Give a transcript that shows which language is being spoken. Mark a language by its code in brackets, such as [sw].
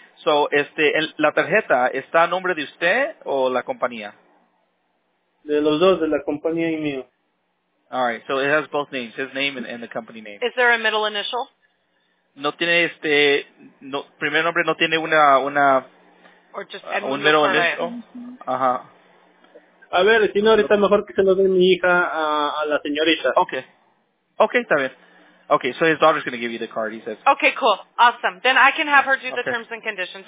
[es] So, la tarjeta, ¿está a nombre de usted o la compañía? De los dos, de la compañía y mío. [en] All right, so it has both names, his name and the company name. Is there a middle initial? [es] No tiene primer nombre no tiene una... [en] Or just un middle initial? Ajá. Uh-huh. [es] A ver, si no, ahorita mejor que se lo dé mi hija a la señorita. Okay, está bien. [en] Okay, so his daughter's going to give you the card, he says. Okay, cool. Awesome. Then I can have her do the terms and conditions.